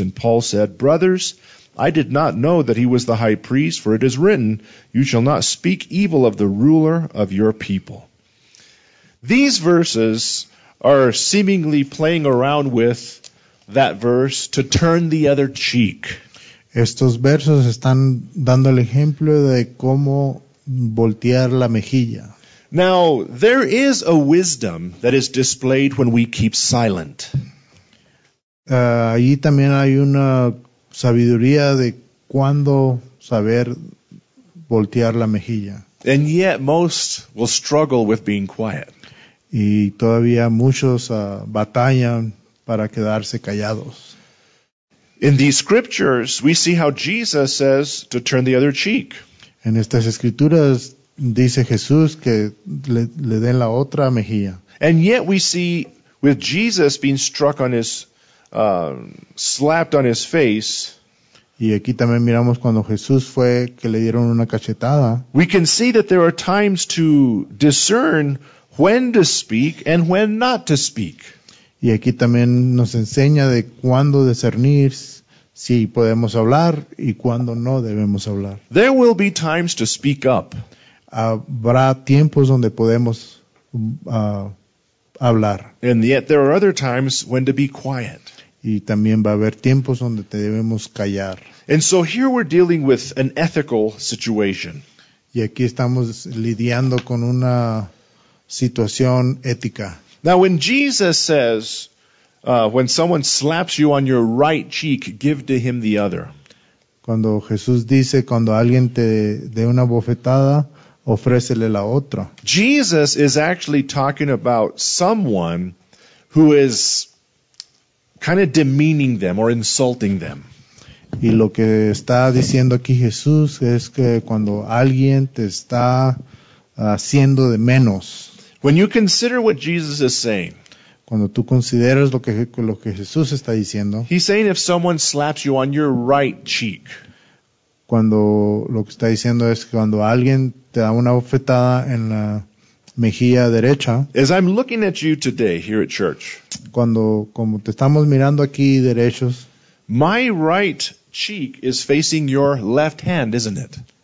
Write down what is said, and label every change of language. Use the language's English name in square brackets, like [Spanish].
[English] And Paul said, brothers, I did not know that he was the high priest, for it is written, you shall not speak evil of the ruler of your people. These verses are seemingly playing around with that verse, to turn the other cheek. [Spanish] Estos versos están dando el ejemplo de cómo voltear la mejilla. [English] Now, there is a wisdom that is displayed when we keep silent. [Spanish] Allí también hay una sabiduría de cuándo saber voltear la mejilla. [English] And yet, most will struggle with being quiet. [Spanish] Y todavía muchos batallan para quedarse callados. [English] In these scriptures, we see how Jesus says to turn the other cheek. [Spanish] En estas escrituras, dice Jesús que le den la otra mejilla. [English] And yet we see with Jesus being struck on his, slapped on his face. [Spanish] Y aquí también miramos cuando Jesús fue que le dieron una cachetada. [English] We can see that there are times to discern when to speak and when not to speak. [Spanish] Y aquí también nos enseña de cuándo discernir. Si podemos hablar y cuándo no debemos hablar. [English] There will be times to speak up. [Spanish] Habrá tiempos donde podemos hablar. [English] And yet there are other times when to be quiet. [Spanish] Y también va a haber tiempos donde te debemos callar. [English] And so here we're dealing with an ethical situation. [Spanish] Y aquí estamos lidiando con una situación ética. [English] Now when Jesus says, when someone slaps you on your right cheek, give to him the other. [Spanish] Cuando Jesús dice, cuando alguien te dé una bofetada, ofrécele la otra. [English] Jesus is actually talking about someone who is kind of demeaning them or insulting them. [Spanish] Y lo que está diciendo aquí Jesús es que cuando alguien te está haciendo de menos. [English] When you consider what Jesus is saying, [Spanish] cuando tú consideras lo que Jesús está diciendo, [English] he's saying if someone slaps you on your right cheek, [Spanish] cuando lo que está diciendo es cuando alguien te da una bofetada en la mejilla derecha, [English] as I'm looking at you today here at church, [Spanish] cuando como te estamos mirando aquí derechos, [English] my right cheek is facing your left hand, isn't it?